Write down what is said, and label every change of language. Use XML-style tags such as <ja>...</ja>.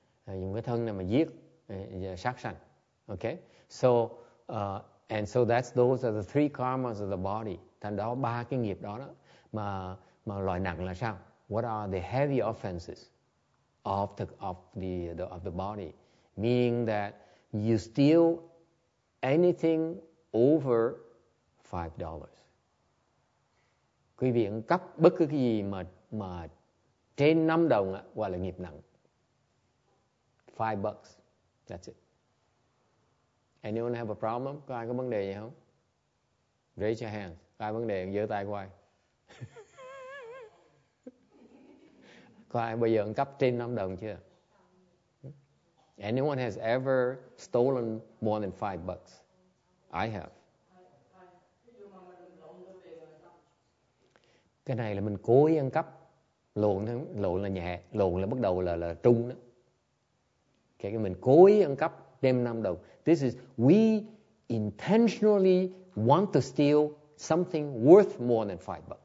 <vi>Dùng cái thân này mà giết sát sanh. Okay?</vi> <en>So and so that's those are the three karmas of the body.</en> <vi>Thành đó ba cái nghiệp đó đó mà loại nặng là sao?</vi> <en>What are the heavy offenses of the body? Meaning that you steal anything over $5.</en> <vi>Quý vị ăn cắp bất cứ cái gì mà trên 5 đồng á, gọi là nghiệp nặng.</vi> <en>$5. That's it. Anyone have a problem?</en> <vi>Có ai có vấn đề gì không?</vi> <en>Raise your hand.</en> <vi>Có ai vấn đề? Giơ tay của ai? Có ai bây giờ ăn cắp trên 5 đồng chưa?</vi> <en>Anyone has ever stolen more than $5? I have.</en> <vi>Cái này là mình cố ý ăn cắp. Lộn là nhẹ. Lộn là bắt đầu là trung đó. Cái mình cố ý ăn cắp đem 5 đồng.</vi> <en>This is we intentionally want to steal something worth more than $5.</en>